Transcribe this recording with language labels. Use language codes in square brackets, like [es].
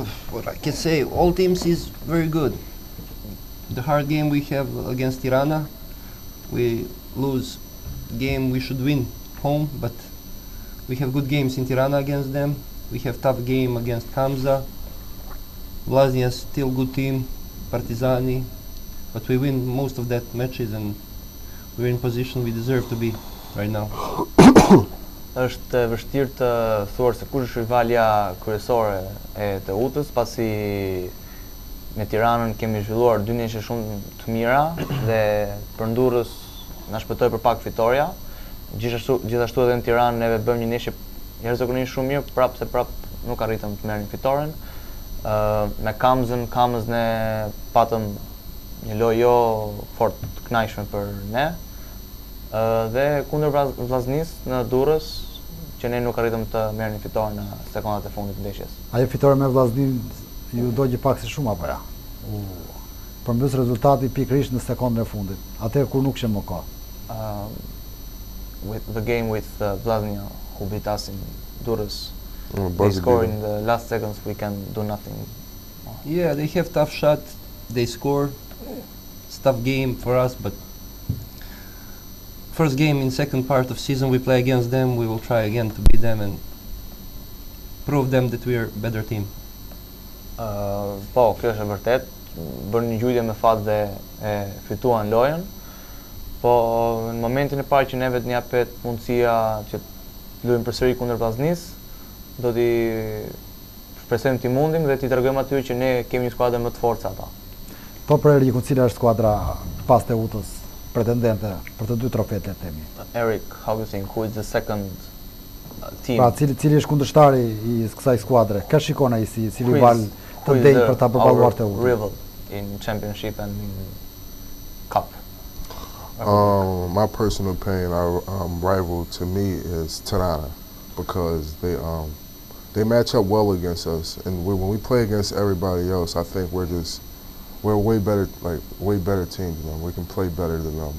[en] What I can say, all teams is very good. The hard game we have against Tirana, we lose game we should win home, but we have good games in Tirana against them. We have tough game against Hamza. Vlasnia is still good team, Partizani, but we win most of that matches and we're in position we deserve to be right now. [sq] Është vështirë të thuar se kush është rivalja kryesore e Teutës, pasi me Tiranën kemi zhvilluar dy ndeshje shumë të mira dhe përndurrës na shpëtoi për pak fitoria. Gjithashtu edhe në Tiranë neve bëmë një ndeshje jashtëzakonisht shumë mirë, prap nuk arritëm të merrnim fitoren. Me Kamzën ne patëm një lojë jo fort të kënaqshme për ne. Dhe kundër Vllaznis në Durrës që ne nuk arritëm të merrnim fitoren në sekondat e fundit të ndeshjes. Ajo fitore me Vllaznin ju dogji pak si shumë apo jo? Përmbys rezultati pikërisht në sekondën e fundit, atëherë kur nuk ishte më kohë. [en] With the game with Vllaznia who beat us in Durrës, they score in the last seconds, we can do nothing. Yeah, they have tough shot, they score. It's tough game for us, but first game in second part of season we play against them, we will try again to beat them and prove them that we are a better team. [sq] Po, kjo është vërtet, bërë një gjujtje me fatë dhe e fituan lojën, po në momentin e parë që neve të njapet mundësia që të luim përsëri kundër Vllaznisë, do t'i shpresojmë t'i mundim dhe t'i tregojmë aty që ne kemi një skuadër më të fortë se ata. Po për Eriku, cila është skuadra pas Teutës pretendente për të dy trofet le të themi? [en] Eric, how do you think, who is the second team? [sq] Pra, cili është kundërshtari i kësaj skuadre? Ka shikon ai si si rival të ndej për ta përballuar Teutën? [en] Rival in championship and in cup. My personal opinion, our rival to me is Tirana, because they match up well against us, and when we play against everybody else, I think we're way better, like way better team than them. We can play better than them.